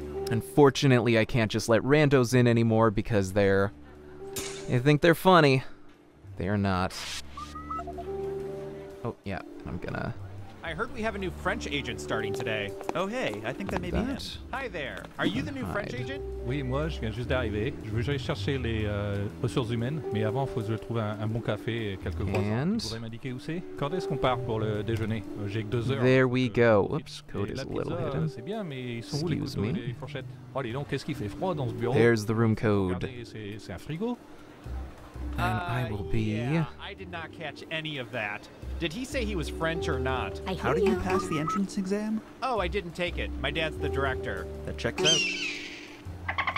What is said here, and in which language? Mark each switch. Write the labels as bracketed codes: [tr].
[en] Unfortunately, I can't just let randos in anymore because they think they're funny. They are not. Oh, yeah, I'm gonna... I heard we have a new French agent starting today. Oh, hey, I think that may be it. Hi there. Are you the new French agent? [fr] Oui, moi, je viens juste d'arriver. Je veux aller chercher les ressources humaines, mais avant, faut que je trouve un bon café et quelques croissants. Vous pourrez m'indiquer où c'est? Quand est-ce qu'on part pour le déjeuner? J'ai que 2 heures. [en] There we go. Oops, code is a little hidden. [fr] C'est bien, mais ils sont où les couteaux et les fourchettes? Allez donc, qu'est-ce qu'il fait froid dans ce bureau? [en] There's the room code. [fr] C'est un frigo? [en] And I will be... Yeah, I did not catch any of that. Did he say he was French or not? I hear How did you. You pass the entrance exam? Oh, I didn't take it. My dad's the director. That checks out.